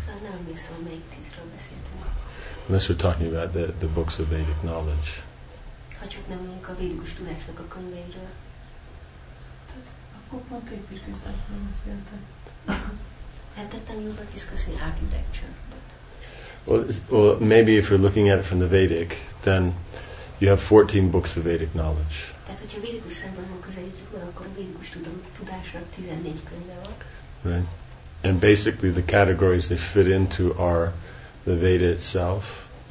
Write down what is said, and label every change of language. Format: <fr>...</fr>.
<hu>Szóval nem emlékszem, hogy melyik 10-ről beszéltünk.</hu> <en>Unless we're talking about the books of Vedic knowledge.</en> <hu>Ha csak nem mondjuk a védikus tudásnak a könyvéről. Akkor pont egy kis tisztelt.</hu> <en>At that time you were discussing architecture. But well, maybe if you're looking at it from the Vedic, then you have 14 books of Vedic knowledge.</en> <hu>Tehát, hogyha védikus szempontból közelítjük, akkor a védikus tudásra 14 könyve van.</hu> <en>Right. And basically the categories they fit into are the Veda itself.</en>